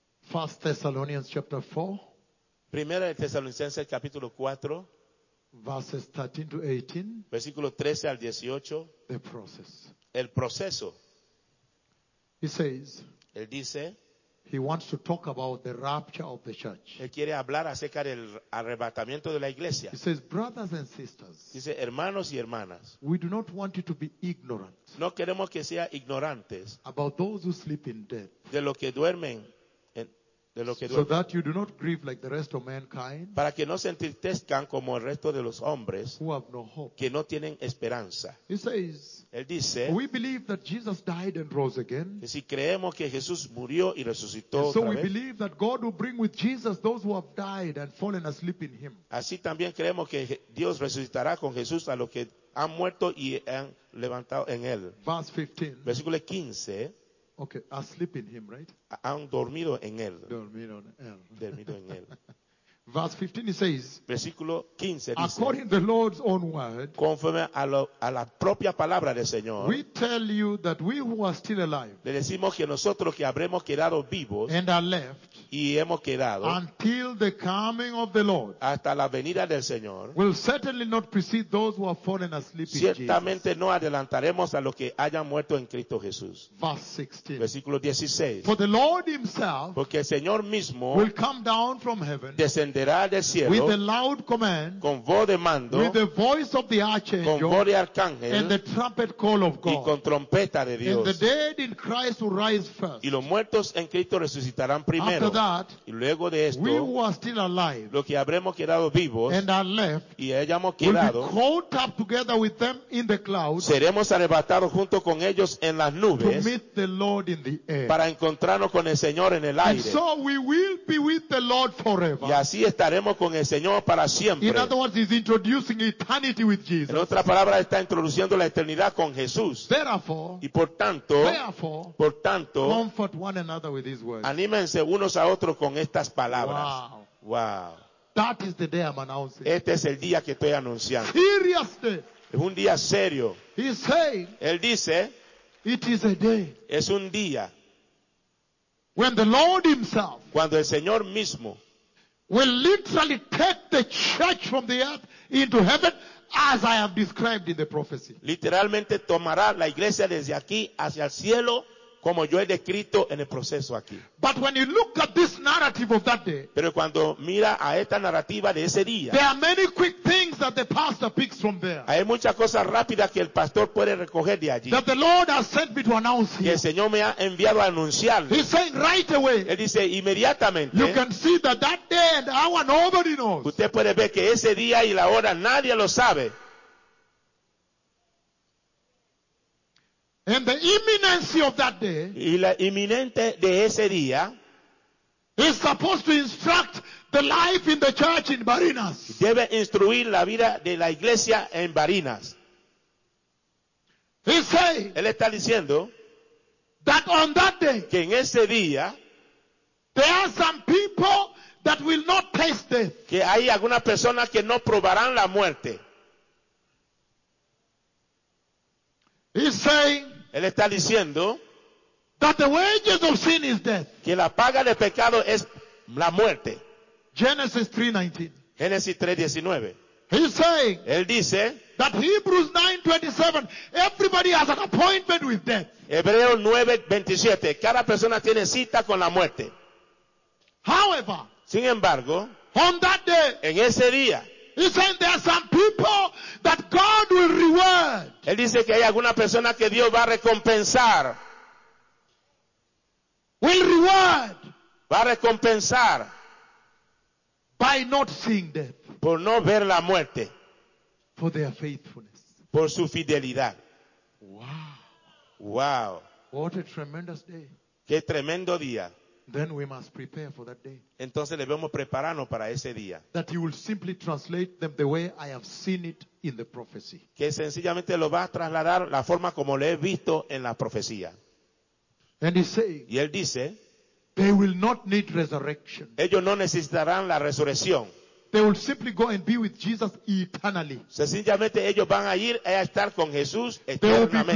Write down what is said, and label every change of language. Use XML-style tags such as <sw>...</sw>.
<en>First Thessalonians chapter 4.</en> <es>Primera de Tesalonicenses capítulo 4.</es> <en>Verses 13 to 18.</en> <es>Versículo 13 al 18.</es> <en>The process.</en> <es>El proceso.</es> <en>He says,</en> <es>él dice,</es> <en>He wants to talk about the rapture of the church.</en> <es>Él quiere hablar acerca del arrebatamiento de la iglesia.</es> <en>He says, brothers and sisters,</en> <es>dice, hermanos y hermanas,</es> <en>we do not want you to be ignorant.</en> <es>No queremos que sea ignorantes.</es> <en>About those who sleep in death.</en> <es>De lo que duermen.</es> <en>So that you do not grieve like the rest of mankind,</en> <es>para que no se entristezcan como el resto de los hombres,</es> <en>who have no hope,</en> <es>que no tienen esperanza.</es> <en>He says,</en> <es>él dice,</es> <en>we believe that Jesus died and rose again.</en> <es>Que si creemos que Jesús murió y resucitó,</es> <en>so we believe that God will bring with Jesus those who have died and fallen asleep in Him.</en> <es>Así también creemos que Dios resucitará con Jesús a los que han muerto y han levantado en él.</es> <en>Verse 15.</en> <es>Versículo 15.</es> <en>Okay, asleep in Him, right?</en> <es>Han dormido en él. Dormido en él.</es> <en>Verse 15, it says,</en> <es>versículo 15 dice,</es> <en>according to the Lord's own word,</en> <es>conforme a la propia palabra del Señor,</es> <en>we tell you that we who are still alive,</en> <es>le decimos que nosotros que habremos quedado vivos,</es> <en>and are left,</en> <es>y hemos quedado,</es> <en>until the coming of the Lord,</en> <es>hasta la venida del Señor,</es> <en>will certainly not precede those who have fallen asleep in</en> <es>Ciertamente no adelantaremos a los que hayan muerto en Cristo Jesús.</es> <en>Verse 16.</en> <es>Versículo 16.</es> <en>For the Lord Himself,</en> <es>porque el Señor mismo,</es> <en>will come down from heaven,</en> <es>descenderá del cielo,</es> <en>with a loud command,</en> <es>con voz de mando,</es> <en>with the voice of the archangel,</en> <es>con voz de arcángel,</es> <en>and the trumpet call of God,</en> <es>y con trompeta de Dios.</es> <en>And the dead in Christ will rise first.</en> <es>Y los muertos en Cristo resucitarán primero.</es> <en>That,</en> <es>y luego de esto,</es> <en>we who are still alive,</en> <es>lo que habremos quedado vivos,</es> <en>and are left,</en> <es>y hayamos quedado,</es> <en>will be caught up together with them in the clouds,</en> <es>seremos arrebatados junto con ellos en las nubes,</es> <en>to meet the Lord in the air,</en> <es>para encontrarnos con el Señor en el aire.</es> <en>And so we will be with the Lord forever.</en> <es>Y así estaremos con el Señor para siempre.</es> <en>In other words, he's introducing eternity with Jesus.</en> <es>En otras palabras, está introduciendo la eternidad con Jesús.</es> <en>Therefore,</en> <es>y por tanto,</es> <en>therefore,</en> <es>por tanto,</es> <en>comfort one another with his words.</en> <es>Anímense unos a otro con estas palabras.</es> <en>Wow. That is the day I'm announcing.</en> <es>Este es el día que estoy anunciando.</es> <en>Serious day.</en> <es>Es un día serio.</es> <en>He's saying,</en> <es>él dice,</es> <en>it is a day.</en> <es>Es un día.</es> <en>When the Lord himself,</en> <es>cuando el Señor mismo,</es> <en>will literally take the church from the earth into heaven, as I have described in the prophecy.</en> <es>Literalmente tomará la iglesia desde aquí hacia el cielo, como yo he descrito en el proceso aquí.</es> <en>But when you look at this narrative of that day,</en> <es>pero cuando mira a esta narrativa de ese día,</es> <en>there are many quick things that the pastor picks from there.</en> <es>Hay muchas cosas rápidas que el pastor puede recoger de allí.</es> <en>That the Lord has sent me to announce here.</en> <es>Que el Señor me ha enviado a anunciarle.</es> <en>He's saying right away.</en> <es>Él dice inmediatamente.</es> <en>You can see that that day and hour nobody knows.</en> <es>Usted puede ver que ese día y la hora nadie lo sabe.</es> <en>And the imminency of that day,</en> <es>y la inminente de ese día,</es> <en>is supposed to instruct the life in the church in Barinas.</en> <es>Debe instruir la vida de la iglesia en Barinas.</es> <en>He say,</en> <es>él está diciendo,</es> <en>that on that day,</en> <es>que en ese día,</es> <en>there are some people that will not taste death.</en> <es>Que hay algunas personas que no probarán la muerte.</es> <en>He say,</en> <es>él está diciendo</es> <en>that the wages of sin is death.</en> <es>Que la paga del pecado es la muerte.</es> <en>Genesis 3:19.</en> <es>Génesis 3:19.</es> <en>He's saying,</en> <es>él dice,</es> <en>that Hebrews 9:27, everybody has an appointment with death.</en> <es>Hebreos 9:27, cada persona tiene cita con la muerte.</es> <en>However,</en> <es>sin embargo,</es> <en>on that day,</en> <es>en ese día,</es> <en>he said there are some people that God will reward.</en> <es>Él dice que hay alguna persona que Dios va a recompensar.</es> <en>Will reward.</en> <es>Va a recompensar.</es> <en>By not seeing death.</en> <es>Por no ver la muerte.</es> <en>For their faithfulness.</en> <es>Por su fidelidad.</es> <en>Wow.</en> <es>Wow.</es> <en>What a tremendous day.</en> <es>Qué tremendo día.</es> <en>Then we must prepare for that day.</en> <es>Entonces debemos prepararnos para ese día.</es> <en>That you will simply translate them the way I have seen it in the prophecy.</en> <es>Que sencillamente lo va a trasladar la forma como lo he visto en la profecía.</es> <en>And he says,</en> <es>y él dice,</es> <en>they will not need resurrection.</en> <es>Ellos no necesitarán la resurrección.</es> <en>They will simply go and be with Jesus eternally.</en> <es>Sencillamente ellos van a ir a estar con Jesús eternamente.</es>